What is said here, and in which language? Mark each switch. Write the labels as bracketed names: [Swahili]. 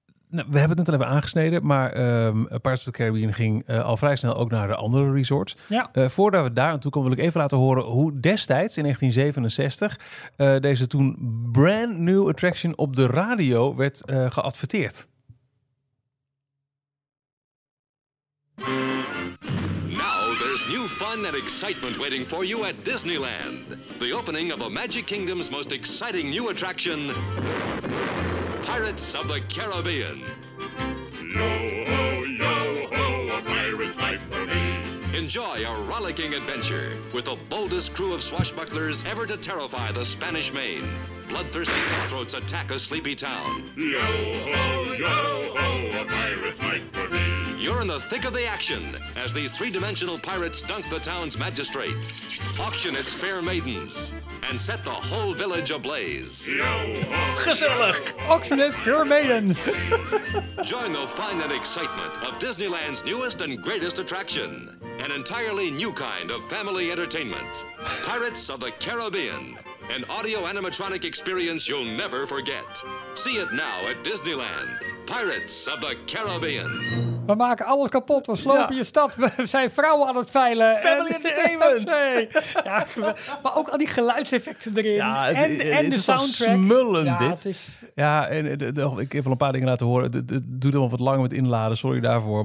[Dutch] We hebben het net al even aangesneden, maar Pirates of the Caribbean ging al vrij snel ook naar de andere resorts. Ja. Voordat we daar aan toe komen, wil ik even laten horen hoe destijds, in 1967, deze toen [English] brand new attraction [Dutch] op de radio werd geadverteerd. [English] Now there's new fun and excitement waiting for you at Disneyland. The opening of a Magic Kingdom's most exciting new attraction, Pirates of the Caribbean. Yo ho, a pirate's life. enjoy a rollicking adventure with the boldest crew of swashbucklers ever to terrify the Spanish Main. Bloodthirsty cutthroats attack a sleepy town. Yo ho, yo ho, a pirate's life for me. You're in the thick of the action as these three-dimensional pirates dunk the town's magistrate, auction its fair maidens, and set the whole village ablaze. [Dutch] Gezellig! [English] Auction its fair maidens! Join the fun and excitement of Disneyland's newest and greatest attraction, an entirely new kind of family entertainment, Pirates of the Caribbean, an audio animatronic experience you'll never forget. See it now at Disneyland, Pirates of the Caribbean. [Dutch] We maken alles kapot, we slopen je stad, we zijn vrouwen aan het veilen. [English] Family entertainment! [Dutch] Ja, maar ook al die geluidseffecten erin, ja, en de soundtrack. Het is smullend, ja, dit. Ja, en ik heb al een paar dingen laten horen. Het doet allemaal wat langer met inladen, sorry daarvoor.